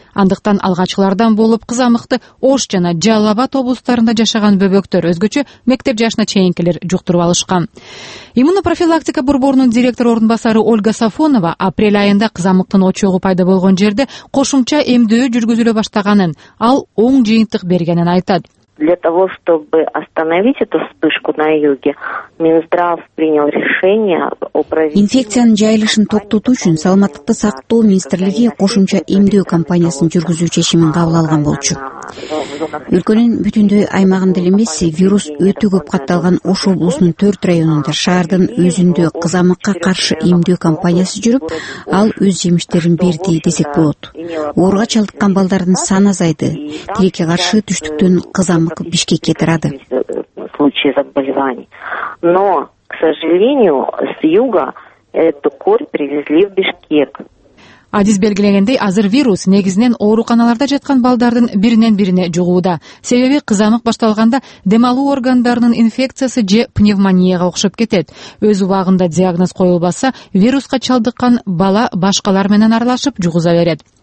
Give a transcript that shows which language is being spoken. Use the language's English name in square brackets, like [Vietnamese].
[Kyrgyz] Андыктан алгачкылардан болуп кызамыкты Ош жана Жалал-Абад облустарында жашаган бөбөктөр, өзгөчө мектеп жашына чейинкилер жуктуруп алышкан. Иммунопрофилактика борборунун директор орун басары Ольга Сафонова апрель айында кызамыктын очогу пайда болгон жерде кошумча эмдөө жүргүзүлө баштаганын, ал оң жыйынтык бергенин айтат. [Russian] Для того, чтобы остановить эту вспышку на юге, Минздрав принял решение о проведении... [Kyrgyz] Инфекциянын жайылышын токтотуу үчүн Саламаттыкты сактоо министрлиги кошумча эмдөө кампаниясын жүргүзүү чечимин кабыл алган болчу. Өлкөнүн бүтүндөй аймагында эле эмес, вирус өтө көп катталган Ош облусунун 4 районунда шаардын өзүндө кызамыкка каршы эмдөө кампаниясы жүрүп, ал өз жемиштерин берди десек болот. Ооруга чалдыккан балдардын саны азайды. Тилекке каршы түштүктөн кызамык Бишкекке тарады. [Russian] Случаи заболеваний. Но, к сожалению, с юга эту корь привезли в Бишкек. [Kyrgyz] Адис белгилегендей, азыр вирус негизинен ооруканаларда жаткан балдардын биринен бирине жугууда. Себеби кызамык башталганда демалуу органдарынын инфекциясы же пневмонияга окшоп кетет. Өз убагында диагноз коюлбаса, вируска чалдыккан бала башкалар менен аралашып жугуза берет.